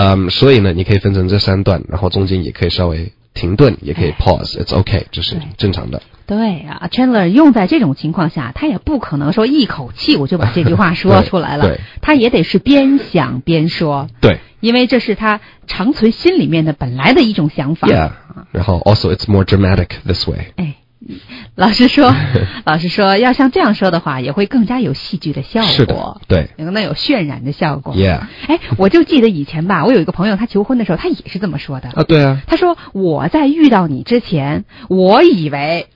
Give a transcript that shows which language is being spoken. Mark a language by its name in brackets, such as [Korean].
[Chinese] 所以呢，你可以分成这三段，然后中间也可以稍微停顿，也可以 pause， [English] it's OK， [Chinese] 这是正常的。对啊 ，Chandler 用在这种情况下，他也不可能说一口气我就把这句话说出来了，他也得是边想边说。对，因为这是他长存心里面的本来的一种想法。 [English] Yeah， [Chinese] 然后 [English] also it's more dramatic this way。 [Chinese] 哎，老师说，老师说要像这样说的话，也会更加有戏剧的效果。是的，对，那有渲染的效果。 [English] Yeah， [Chinese] 哎，我就记得以前吧，我有一个朋友，他求婚的时候，他也是这么说的。啊，对啊。他说我在遇到你之前，我以为。